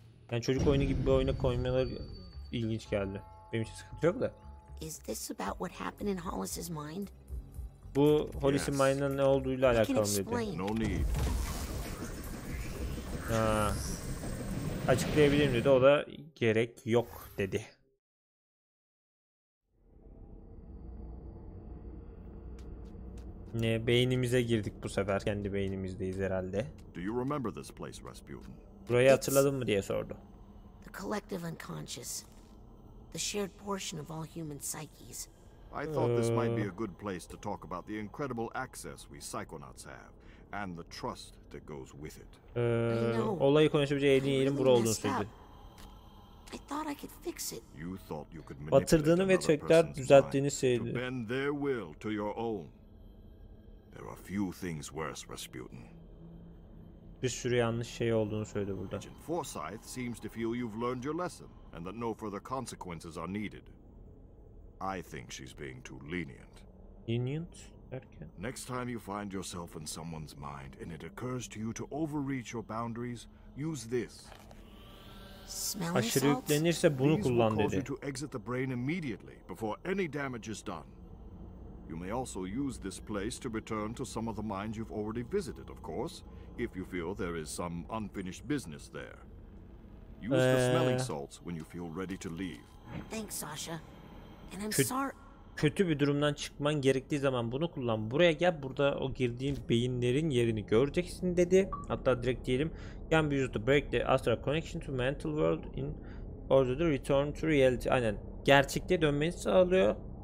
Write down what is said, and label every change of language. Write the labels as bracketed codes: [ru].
[tr] Yani çocuk oyunu gibi bir oyuna koymaları ilginç geldi. Benim için sıkıntı yok da. [en] Is this about what happened in Hollis's mind? [tr] Bu Hollis'in mind'ın ne olduğuyla alakalı dedi. [en] No need. [tr] Ha. Açıklayabilirim dedi. O da gerek yok dedi. Ne, beynimize girdik bu sefer. Kendi beynimizdeyiz herhalde. [en] Do you remember this place, Rasputin? [tr] Burayı hatırladın mı diye sordu. [en] The collective unconscious. The shared portion of all human psyches. I thought this might be a good place to talk about the incredible access we psychonauts have. And the trust that goes with it. [tr] Olayı konuşabileceği en iyi yerin burası olduğunu söyledi. [en] I thought I could fix it. You thought you could manipulate another person's mind. [tr] Batırdığını ve tekrar düzelttiğini söyledi. [en] To bend their will to your own. There are few things worse, Rasputin. [tr] Bir sürü yanlış şey olduğunu söyledi burada. [en] Agent Forsyth seems to feel you've learned your lesson and that no further consequences are needed. I think she's being too lenient. Lenient? [tr] Erken. [en] Next time you find yourself in someone's mind and it occurs to you to overreach your boundaries, use this. Smell [tr] aşırı [en] salts? [tr] Yüklenirse bunu kullan dedi. [en] Cause you to exit the brain immediately before any damage is done. You may also use this place to return to some of the minds you've already visited, of course, if you feel there is some unfinished business there. Use the smelling salts when you feel ready to leave. Thanks, Sasha. And I'm sorry. [tr] Kötü bir durumdan çıkman gerektiği zaman bunu kullan. Buraya gel, burada o girdiğin beyinlerin yerini göreceksin dedi. Hatta direkt diyelim. [en] Can be used to break the astral connection to mental world in order to return to reality. [tr] Aynen. Gerçekliğe dönmeni sağlıyor.